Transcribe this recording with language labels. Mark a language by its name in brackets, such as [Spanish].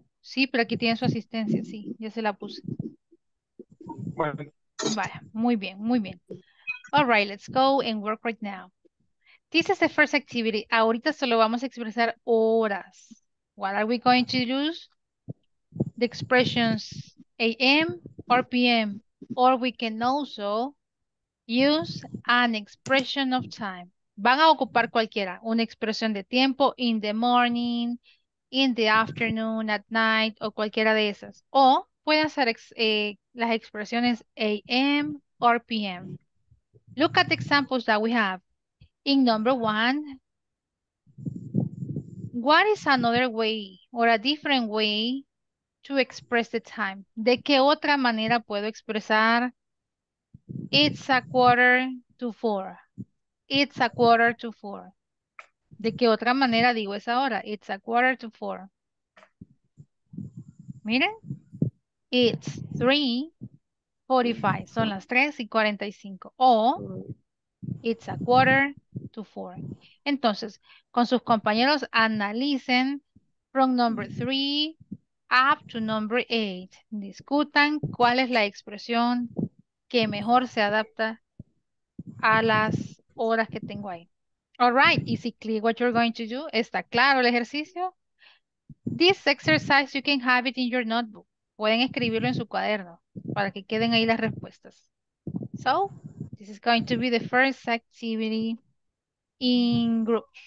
[Spanish] Sí, pero aquí tiene su asistencia, sí, ya se la puse. Bueno. Vaya, muy bien, muy bien. [English] All right, let's go and work right now. This is the first activity. [Spanish] Ahorita solo vamos a expresar horas. [English] What are we going to use? The expressions AM or PM. Or we can also use an expression of time. [Spanish] Van a ocupar cualquiera. Una expresión de tiempo, [English] in the morning, in the afternoon, at night, [Spanish] o cualquiera de esas. O pueden hacer las expresiones AM or PM. [English] Look at the examples that we have. In number one, what is another way or a different way to express the time? [Spanish] ¿De qué otra manera puedo expresar? [English] It's a quarter to four. It's a quarter to four. [Spanish] ¿De qué otra manera digo esa hora? [English] It's a quarter to four. Miren. It's 3:45. [Spanish] Son las 3:45. [English] O it's a quarter to four. [Spanish] Entonces, con sus compañeros analicen [English] from number 3 up to number 8. [Spanish] Discutan cuál es la expresión que mejor se adapta a las horas que tengo ahí. [English] All right, is it clear what you're going to do? [Spanish] ¿Está claro el ejercicio? [English] This exercise, you can have it in your notebook. [Spanish] Pueden escribirlo en su cuaderno para que queden ahí las respuestas. [English] So, this is going to be the first activity in group.